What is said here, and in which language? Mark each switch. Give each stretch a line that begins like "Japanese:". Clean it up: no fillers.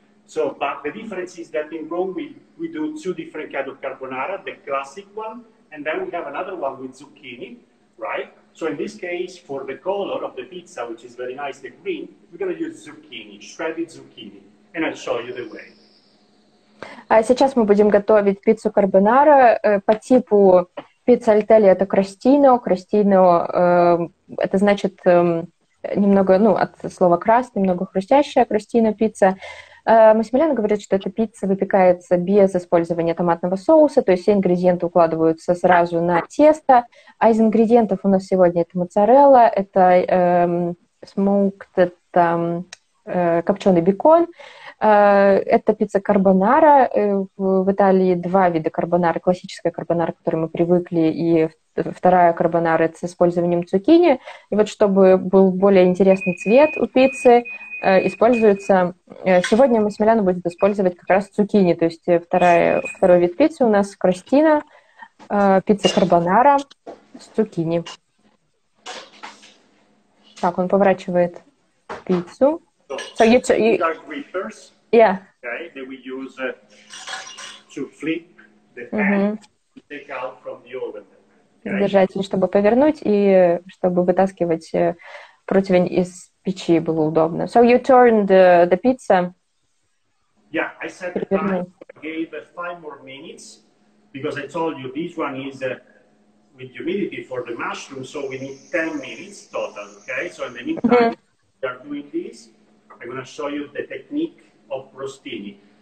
English: So, but the difference is that in Rome, we do two different kinds of carbonara, the classic one, and then we have another one with zucchini, right? So in this case, for the color of the pizza, which is very nice, the green, we're going to use zucchini, shredded zucchini, and I'll show you the way.
Russian: А сейчас мы будем готовить пиццу карбонара по типу пицца Альтелли — это крастино. Крастино это значит немного, ну, от слова краст, немного хрустящая крастино пицца. Масимилиано говорит, что эта пицца выпекается без использования томатного соуса, то есть все ингредиенты укладываются сразу на тесто. А из ингредиентов у нас сегодня это моцарелла, это смоукт, это копченый бекон. Это пицца карбонара. В Италии два вида карбонары. Классическая карбонара, к которой мы привыкли, и вторая карбонара с использованием цукини. И вот чтобы был более интересный цвет у пиццы, используется... Сегодня Масимилиано будет использовать как раз цукини, то есть второй вид пиццы у нас крастина, пицца карбонара с цукини. Так, он поворачивает пиццу.
English: So, these are grippers. Yeah. Okay, that we use to flip the pan to take out from the oven. Okay.
Russian: Держатель, чтобы повернуть и чтобы вытаскивать противень из печи было удобно.
English: So you turned the pizza. Yeah, I set the time. I gave 5 more minutes because I told you this one is with humidity for the mushroom, so we need 10 minutes total. Okay, so in the meantime, we are doing this. I'm going to show you the technique of crostini.